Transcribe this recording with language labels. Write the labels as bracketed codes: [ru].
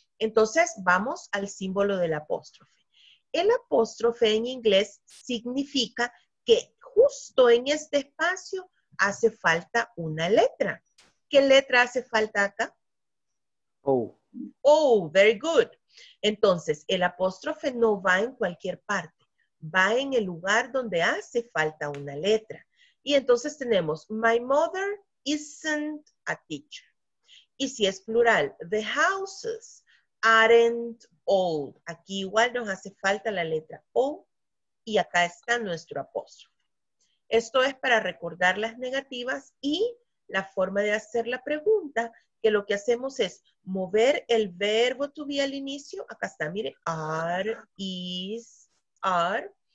[es] Entonces, vamos al símbolo del apóstrofe. El apóstrofe en inglés significa que justo en este espacio hace falta una letra. ¿Qué letra hace falta acá? Oh, [en] very good. [es] Entonces, el apóstrofe no va en cualquier parte. Va en el lugar donde hace falta una letra. Y entonces tenemos, [en] my mother isn't a teacher. [es] Y si es plural, [en] the houses aren't old. [es] Aquí igual nos hace falta la letra O. Y acá está nuestro apóstrofe. Esto es para recordar las negativas y la forma de hacer la pregunta, que lo que hacemos es mover el verbo to be al inicio. Acá está, mire, are, is, are.